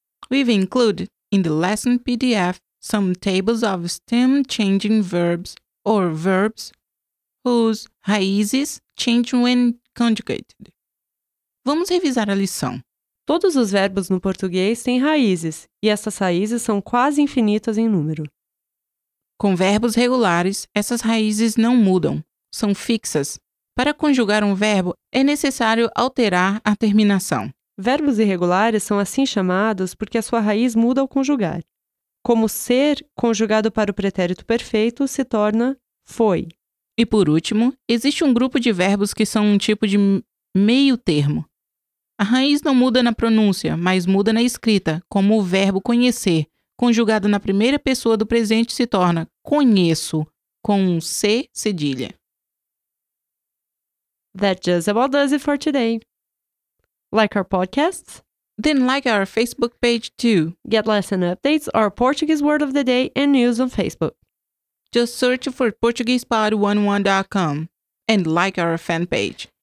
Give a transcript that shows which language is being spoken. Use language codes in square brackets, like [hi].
[en] We've included in the lesson PDF some tables of stem changing verbs or verbs whose raízes change when conjugated. [pt] Vamos revisar a lição. Todos os verbos no português têm raízes, e essas raízes são quase infinitas em número. Com verbos regulares, essas raízes não mudam, são fixas. Para conjugar um verbo, é necessário alterar a terminação. Verbos irregulares são assim chamados porque a sua raiz muda ao conjugar. Como ser, conjugado para o pretérito perfeito, se torna foi. E por último, existe um grupo de verbos que são um tipo de meio termo. A raiz não muda na pronúncia, mas muda na escrita, como o verbo conhecer, conjugado na primeira pessoa do presente, se torna conheço, com um C cedilha. [en] That just about does it for today. Like our podcasts? Then like our Facebook page too. Get lesson updates, our Portuguese word of the day, and news on Facebook. Just search for PortuguesePod101.com and like our fan page.